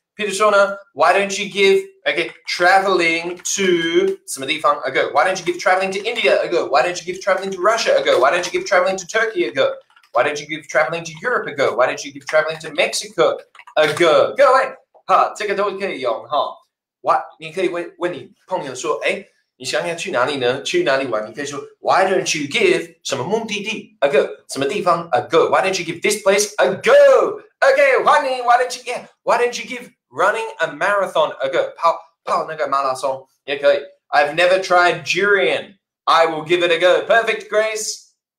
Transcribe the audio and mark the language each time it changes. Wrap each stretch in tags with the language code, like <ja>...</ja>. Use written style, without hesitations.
<zh>譬如说呢，</zh> <en>why don't you give, okay, traveling to 什么地方 a go? Why don't you give traveling to India a go? Why don't you give traveling to Russia a go? Why don't you give traveling to Turkey a go? Why don't you give traveling to Europe a go? Why don't you give traveling to Mexico a go? Go away!</en> <zh>哈，这个都可以用哈。你可以问你朋友说，哎，你想要去哪里呢？去哪里玩？你可以说</zh> <en>why don't you give</en> <zh>什么目的地 a go? 什么地方 a go?</zh> <en>Why don't you give this place a go? Okay, why don't you give running a marathon a go,</en> <zh>跑那个马拉松也可以。</zh> <en>I've never tried durian. I will give it a go. Perfect, Grace.</en>